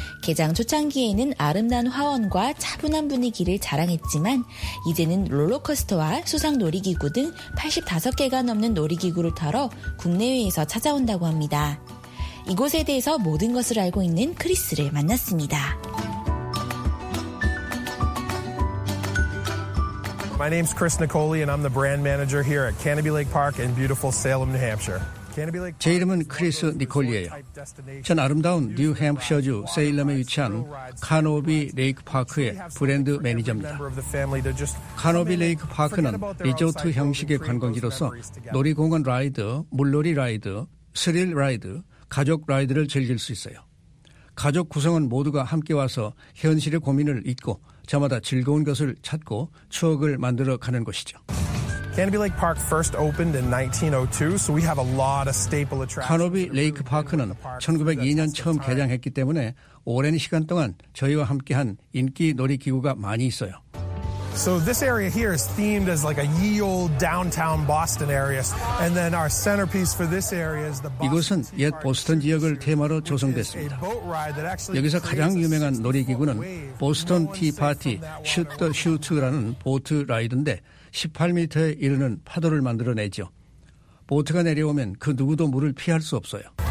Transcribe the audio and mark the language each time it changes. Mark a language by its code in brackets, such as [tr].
[ko] 개장 초창기에는 아름다운 화원과 차분한 분위기를 자랑했지만 이제는 롤러코스터와 수상 놀이기구 등 85개가 넘는 놀이기구를 타러 국내외에서 찾아온다고 합니다. 이곳에 대해서 모든 것을 알고 있는 크리스를 만났습니다. [en] My name's Chris Nicoli and I'm the brand manager here at Canobie Lake Park in beautiful Salem, New Hampshire. [ko] 제 이름은 크리스 니콜리예요. 전 아름다운 뉴햄프셔주 세일럼에 위치한 카노비 레이크 파크의 브랜드 매니저입니다. 카노비 레이크 파크는 리조트 형식의 관광지로서 놀이공원 라이드, 물놀이 라이드, 스릴 라이드, 가족 라이드를 즐길 수 있어요. 가족 구성원 모두가 함께 와서 현실의 고민을 잊고 저마다 즐거운 것을 찾고 추억을 만들어 가는 곳이죠. [en] Canobie Lake Park first opened in 1902, so we have a lot of staple attractions. [ko] 카노비 레이크 파크는 1902년 처음 개장했기 때문에 오랜 시간 동안 저희와 함께한 인기 놀이 기구가 많이 있어요. [en] So this area here is themed as like a ye olde downtown Boston area, and then our centerpiece for this area is the Boston. [ko] 이곳은 옛 보스턴 지역을 테마로 조성됐습니다. 여기서 가장 유명한 놀이 기구는 보스턴 티 파티 슛 더 슈트라는 보트 라이드인데. 18m에 이르는 파도를 만들어내죠. 보트가 내려오면 그 누구도 물을 피할 수 없어요.